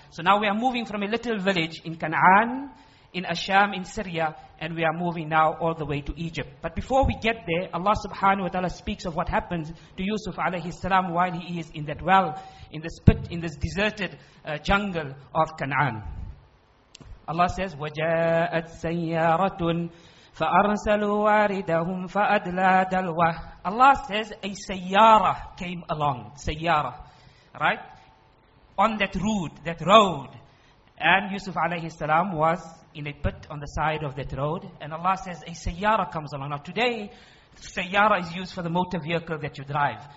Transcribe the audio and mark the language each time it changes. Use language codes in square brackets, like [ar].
[en] So now we are moving from a little village in Canaan, in Asham, in Syria, and we are moving now all the way to Egypt. But before we get there, Allah subhanahu wa ta'ala speaks of what happens to Yusuf alayhi salam while he is in that well, in this pit, in this deserted jungle of Canaan. [ar] Allah says, وَجَاءَتْ سَيَّارَةٌ فَأَرْسَلُوا وَارِدَهُمْ فَأَدْلَى دَلْوَهُ. [en] Allah says, a sayyara came along, sayyara, right? On that road. And Yusuf alayhi salam was in a pit on the side of that road. And Allah says, a sayyara comes along. Now today, sayyara is used for the motor vehicle that you drive.